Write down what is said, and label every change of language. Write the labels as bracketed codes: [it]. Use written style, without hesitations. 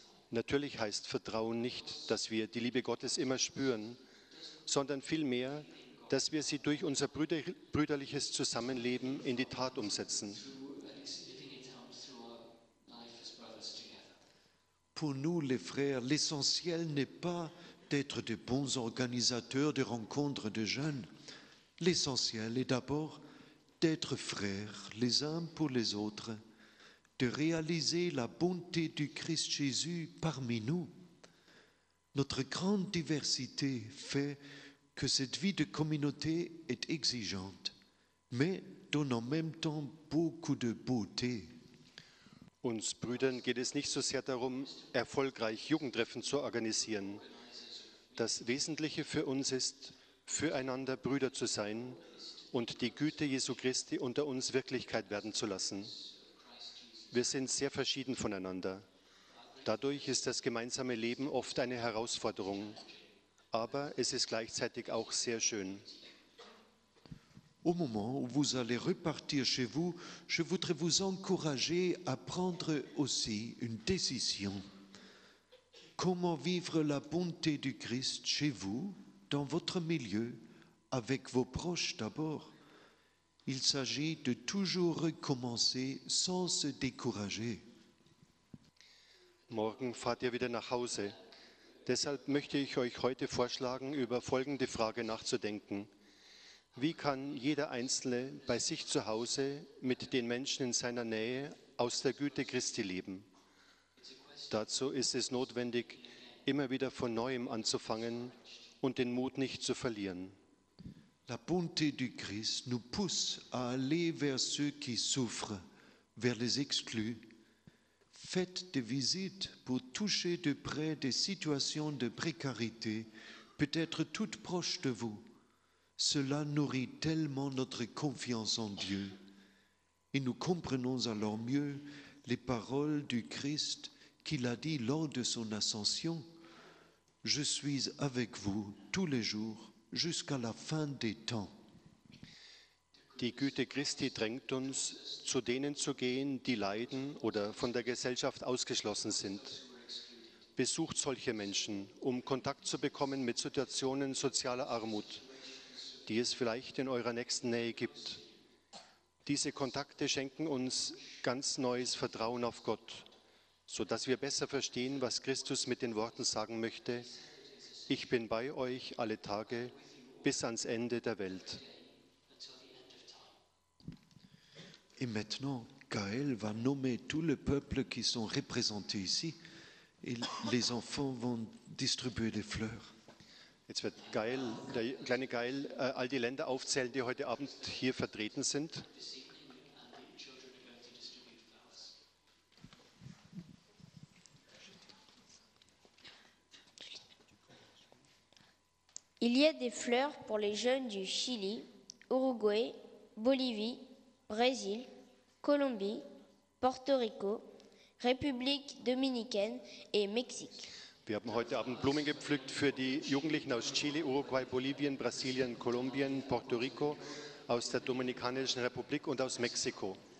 [de] Natürlich heißt Vertrauen nicht, dass wir die Liebe Gottes immer spüren, sondern vielmehr, dass wir sie durch unser brüderliches Zusammenleben in die Tat umsetzen. [fr] Pour nous, les frères, l'essentiel n'est pas d'être de bons organisateurs de rencontres de jeunes. L'essentiel est d'abord d'être frères les uns pour les autres, de réaliser la bonté du Christ Jésus parmi nous. Notre grande diversité fait que cette vie de communauté est exigeante, mais donne en même temps beaucoup de beauté. [de] Uns Brüdern geht es nicht so sehr darum, erfolgreich Jugendtreffen zu organisieren. Das Wesentliche für uns ist, füreinander Brüder zu sein und die Güte Jesu Christi unter uns Wirklichkeit werden zu lassen. Wir sind sehr verschieden voneinander. Dadurch ist das gemeinsame Leben oft eine Herausforderung. Aber es ist gleichzeitig auch sehr schön. [fr] Au moment où vous allez repartir chez vous, je voudrais vous encourager à prendre aussi une décision. Comment vivre la bonté du Christ chez vous, dans votre milieu, avec vos proches d'abord? Il s'agit de toujours recommencer sans se décourager. [de] Morgen fahrt ihr wieder nach Hause. Deshalb möchte ich euch heute vorschlagen, über folgende Frage nachzudenken. Wie kann jeder Einzelne bei sich zu Hause mit den Menschen in seiner Nähe aus der Güte Christi leben? Dazu ist es notwendig, immer wieder von Neuem anzufangen und den Mut nicht zu verlieren. [fr] La bonté du Christ nous pousse à aller vers ceux qui souffrent, vers les exclus. Faites des visites pour toucher de près des situations de précarité, peut-être toutes proches de vous. Cela nourrit tellement notre confiance en Dieu. Et nous comprenons alors mieux les paroles du Christ qu'il a dit lors de son ascension. Je suis avec vous tous les jours jusqu'à la fin des temps. [de] Die Güte Christi drängt uns, zu denen zu gehen, die leiden oder von der Gesellschaft ausgeschlossen sind. Besucht solche Menschen, um Kontakt zu bekommen mit Situationen sozialer Armut, die es vielleicht in eurer nächsten Nähe gibt. Diese Kontakte schenken uns ganz neues Vertrauen auf Gott, sodass wir besser verstehen, was Christus mit den Worten sagen möchte: Ich bin bei euch alle Tage bis ans Ende der Welt. [fr] Et maintenant, Gaël va nommer tout le peuple qui sont représentés ici, et les enfants vont distribuer des fleurs. [de] Jetzt wird Gael, der kleine Gael, all die Länder aufzählen, die heute Abend hier vertreten sind. [fr] Il y a des fleurs pour les jeunes du Chili, Uruguay, Bolivie, Brésil, Colombie, Porto Rico, République Dominicaine et Mexique. [de] Wir haben heute Abend Blumen gepflückt für die Jugendlichen aus Chile, Uruguay, Bolivien, Brasilien, Kolumbien, Puerto Rico, aus der Dominikanischen Republik und aus Mexiko.